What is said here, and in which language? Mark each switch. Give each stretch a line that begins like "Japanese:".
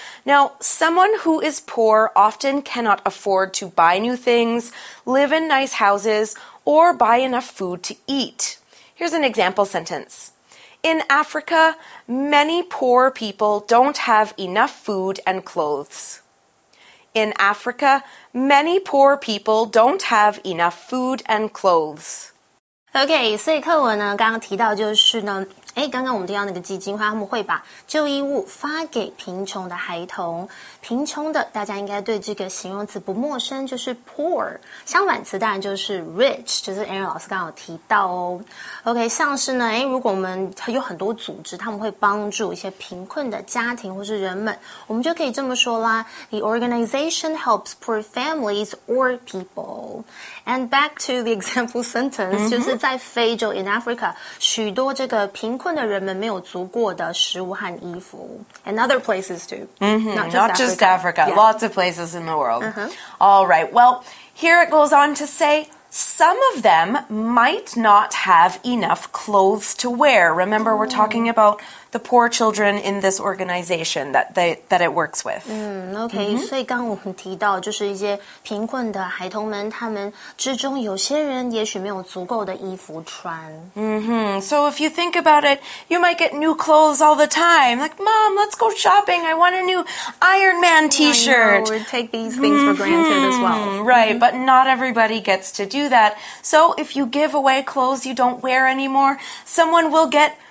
English: Now, someone who is poor often cannot afford to buy new things, live in nice houses, or buy enough food to eat. Here's an example sentence. In Africa, many poor people don't have enough food and clothes. In Africa, many poor people don't have enough food and clothes.
Chinese: Okay, 所以课文呢刚刚提到就是呢刚刚我们提到那个基金会他们会把旧衣物发给贫穷的孩童。贫穷的大家应该对这个形容词不陌生就是 poor。相反词当然就是 rich, 就是 Aaron 老师刚刚有提到哦。 OK, 像是呢如果我们有很多组织他们会帮助一些贫困的家庭或是人们我们就可以这么说啦 ,
English: the organization helps poor families or people. And back to the example sentence,、
Chinese: 就是在非洲 in Africa, 许多这个贫困的人们没有足够的食物和衣服
English: and other places too. Not just Africa,、yeah. lots of places in the world.、All right, well, here it goes on to say, some of them might not have enough clothes to wear. Remember,、we're talking about the poor children in this organization that it works with.、
Chinese: okay,、所以刚刚我们提到就是一些贫困的孩童们他们之中有些人也许没有足够的衣服穿。
English: So if you think about it, you might get new clothes all the time. Like, Mom, let's go shopping. I want a new Iron Man t-shirt. We take these things、for granted as well. Right,、but not everybody gets to do that. So if you give away clothes you don't wear anymore, someone will get...